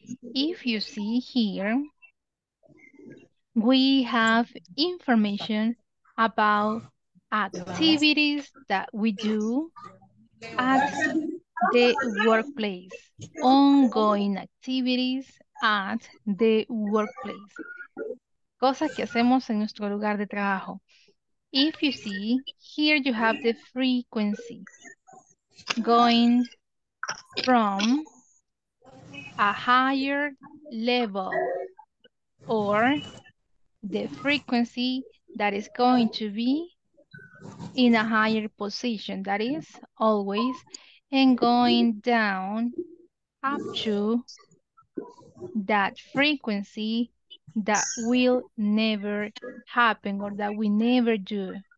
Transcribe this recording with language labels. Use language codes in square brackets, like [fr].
[en] If you see here, we have information about activities that we do at the workplace, ongoing activities at the workplace. [es] Cosas que hacemos en nuestro lugar de trabajo. [en] If you see, here you have the frequency going from a higher level or the frequency that is going to be in a higher position, that is always, and going down up to that frequency that will never happen or that we never do.